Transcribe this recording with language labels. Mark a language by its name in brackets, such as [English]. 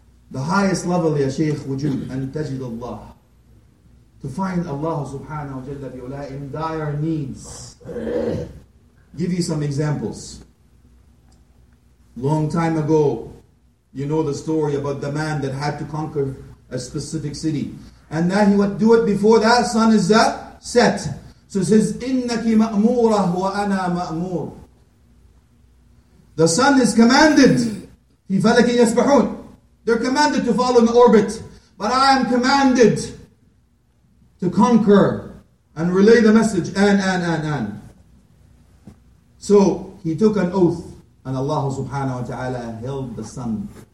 [English] The highest level, ya Shaykh, wujud, and tajid Allah. To find Allah subhanahu wa ta'ala in dire needs. Give you some examples. Long time ago, you know the story about the man that had to conquer a specific city. And now he would do it before that sun is set. So it says, [Arabic] إِنَّكِ مَأْمُورَهْ وَأَنَا مَأْمُورُ. [English] The sun is commanded. [Arabic] فِي فَلَكٍ يَسْبَحُونَ. [English] They're commanded to follow in orbit. But I am commanded to conquer and relay the message, and. So he took an oath, and Allah subhanahu wa ta'ala held the sun.